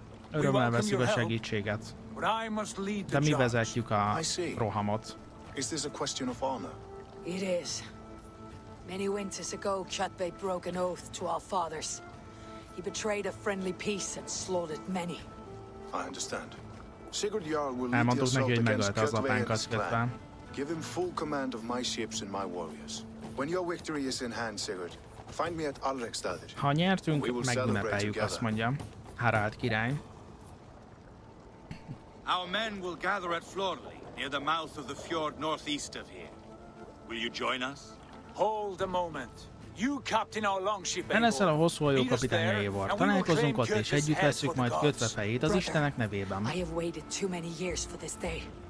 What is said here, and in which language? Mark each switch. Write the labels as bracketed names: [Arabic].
[Hungarian] Örömmel veszük a segítséget. De mi vezetjük a rohamot? [English] Many winters ago, Kjotvei broke an oath to our fathers. He betrayed a friendly peace and slaughtered many. I understand. Sigurd Jarl will lead the assault against Kjotvei and his clan. Give him full command of my ships and my warriors. When your victory is in hand, Sigurd, find me at Alrekstadir. [Hungarian] Ha nyertünk, megünnepeljük, azt mondjam. Harald király. [English] Our men will gather at Florli, near the mouth of the fjord northeast of here. Will you join us? Hold a moment. You captain our longship. [Hungarian] Leszel a hosszú hajó kapitánya, Eivor. Találkozunk ott, és együtt veszük majd kötve fejét az Istenek nevében. [English] I have waited too many years for this day.